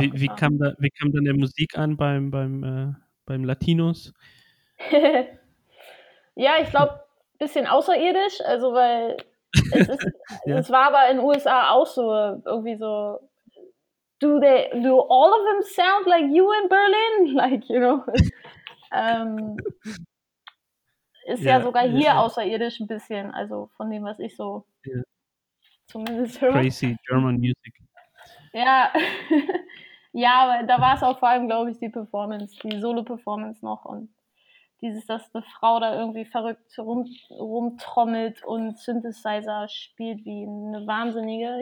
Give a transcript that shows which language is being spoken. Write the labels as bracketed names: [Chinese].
[German] Wie kam dann der Musik an beim Latinos? Ja, ich glaube, ein bisschen außerirdisch. Also, weil es war aber in den USA auch so irgendwie so. [English] Do all of them sound like you in Berlin? Like, you know. [German] ist ja sogar hier außerirdisch ein bisschen, also von dem, was ich so zumindest höre. [English] Crazy German Music. [German] Ja, ja, aber da war es auch vor allem, glaube ich, die Performance, die Solo-Performance noch und dieses, dass eine Frau da irgendwie verrückt rumtrommelt und Synthesizer spielt wie eine Wahnsinnige.